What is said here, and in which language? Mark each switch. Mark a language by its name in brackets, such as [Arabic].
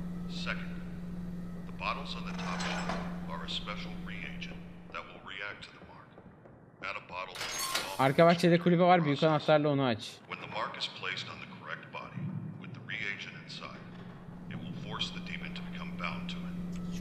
[English] Second, the bottles on the top shelf are a special reagent that will react to the mark. Add a bottle. [Turkish] Arka bahçede kulübe var, büyük anahtarla onu aç. [English] When the mark is placed on the correct body with the reagent inside, it will force the demon to become bound to it.